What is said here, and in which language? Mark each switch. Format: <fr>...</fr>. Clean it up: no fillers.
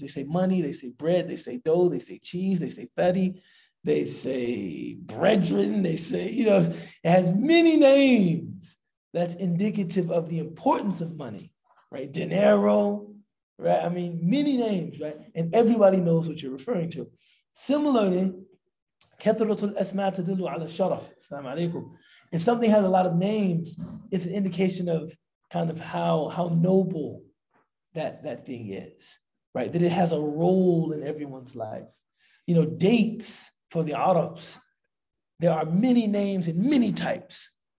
<en>They say money, they say bread, they say dough, they say cheese, they say fatty, they say brethren, they say, you know, it has many names. That's indicative of the importance of money, right? Dinero, right? I mean, many names, right? And everybody knows what you're referring to.</en> <ar>Similarly, كَثْرَةُ الْأَسْمَى تَدِلُّ عَلَى الشَّرَفِ. Assalamu alaikum.</ar> <en>If something has a lot of names, it's an indication of kind of how noble that thing is, right? That it has a role in everyone's life. You know, dates for the Arabs, there are many names and many types.</en>